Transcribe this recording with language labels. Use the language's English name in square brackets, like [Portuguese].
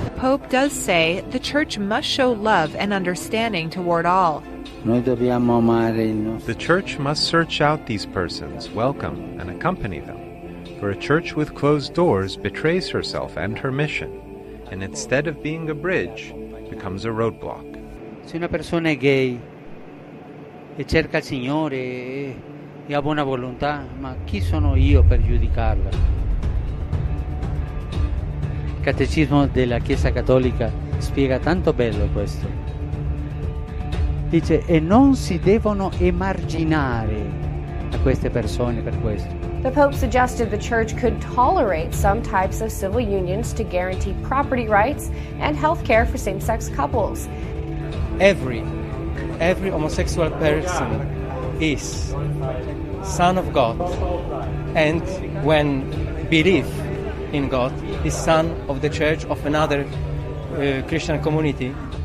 [English] Pope does say the church must show love and understanding toward all. The church must search out these persons, welcome, and accompany them. For a church with closed doors betrays herself and her mission, and instead of being a bridge, becomes a roadblock. [Italian] Se una persona è gay e cerca il Signore e ha buona volontà, ma chi sono io per giudicarla? Il Catecismo della Chiesa Cattolica spiega tanto bello questo. Dice, e non si devono emarginare a queste persone per questo. [English] The Pope suggested the Church could tolerate some types of civil unions to guarantee property rights and health care for same-sex couples. Every homosexual person is son of God, and when believe in God, is son of the Church of another Christian community.